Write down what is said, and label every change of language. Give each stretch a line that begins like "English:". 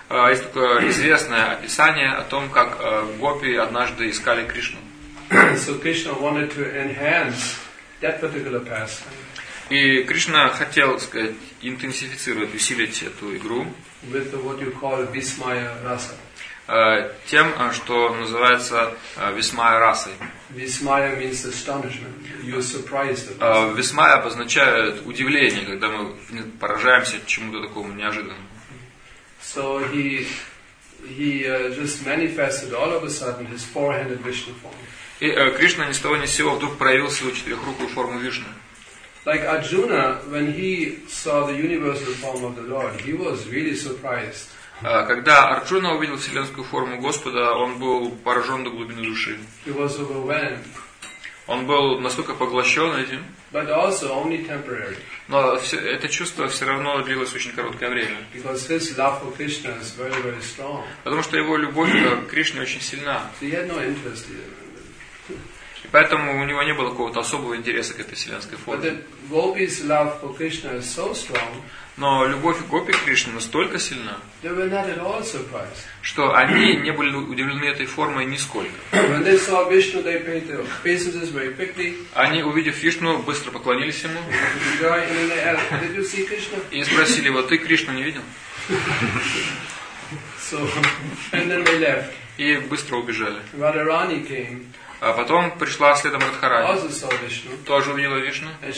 Russian: Есть такое известное описание о том, как гопи однажды искали Кришну.
English: So Krishna wanted to enhance that particular pastime.
Russian: И Кришна хотел, так сказать, интенсифицировать, усилить эту игру.
English: With what you call Vismaya Rasa.
Russian: Тем, что называется Vismaya Rasa.
English: Vismaya means astonishment. You're surprised.
Russian: Vismaya обозначает удивление, когда мы поражаемся чему-то такому неожиданному.
English: So he just manifested all of a sudden his four-handed Vishnu form.
Russian: И Кришна ни с того ни с сего вдруг проявил свою четырехрукую форму Вишны.
English: Like Arjuna, when he saw the universal form of the Lord, he was really surprised.
Russian: Когда Арджуна увидел вселенскую форму Господа, он был поражен до глубины души.
English: He was overwhelmed.
Russian: Он был настолько поглощен этим.
English: But also only temporary.
Russian: Но это чувство все равно длилось очень короткое время.
English: Because his love for Krishna is very, very strong.
Russian: Потому что его любовь к Кришне очень сильна.
English: So he had no interest in it.
Russian: И поэтому у него не было какого-то особого интереса к этой вселенской форме.
English: But the gopis love for Krishna is so strong.
Russian: Но любовь гопи к Кришне настолько сильна,
English: they were not at all surprised.
Russian: Что они не были удивлены этой формой нисколько.
English: When they saw Vishnu, they paid their obeisances very quickly.
Russian: Они, увидев Вишну, быстро поклонились ему.
English: Did you see Krishna?
Russian: И спросили его, ты Кришну не видел?
English: So, and then they left.
Russian: И быстро убежали.
English: Radharani came.
Russian: А потом пришла следом Радхарани, тоже увидела Вишну.